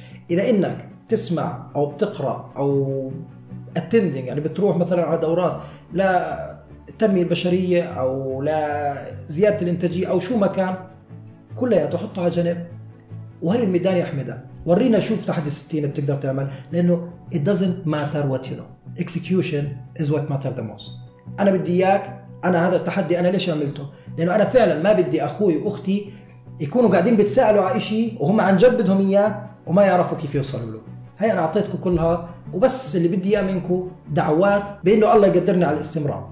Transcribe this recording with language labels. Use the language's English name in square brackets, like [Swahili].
[Arabic] اذا انك تسمع او بتقرا او اتندنج، يعني بتروح مثلا على دورات لا التنميه البشريه او لا زياده الانتاجيه او شو ما كان، كلها تحطها على جنب. وهي الميدان يا احمد، ورينا شو في تحدي 60 بتقدر تعمل، لانه [English] it doesn't matter what you know. Execution is what matters the most. [Arabic] انا بدي اياك، انا هذا التحدي انا ليش عملته؟ لانه انا فعلا ما بدي اخوي واختي يكونوا قاعدين بتسألوا على اشي وهم عن جد بدهم اياه وما يعرفوا كيف يوصلوا له. هاي انا اعطيتكم كلها، وبس اللي بدي اياه منكم دعوات بانه الله يقدرني على الاستمرار.